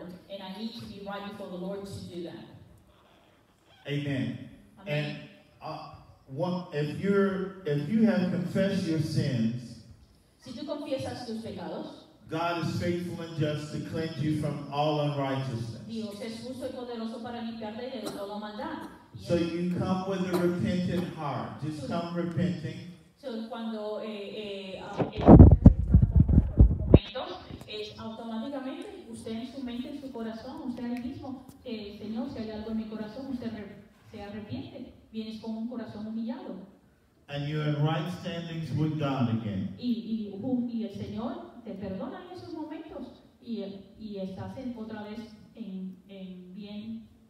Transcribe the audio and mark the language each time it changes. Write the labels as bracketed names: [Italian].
[English] And I need to be right before the Lord to do that. Amen. And if you have confessed your sins, [Spanish] si tú confiesas tus pecados, [English] God is faithful and just to cleanse you from all unrighteousness. [Spanish] Dios es justo y poderoso para limpiarte de toda maldad. [English] So you come with a repentant heart. Just come repenting. [Spanish] So cuando momento es automáticamente usted en su mente, en su corazón, usted mismo, Señor, si hay algo en mi corazón, usted se arrepiente. Vienes con un corazón humillado. [English] And you're in right standings with God again. [Spanish] Y el Señor te perdona en esos momentos y estás otra vez en bien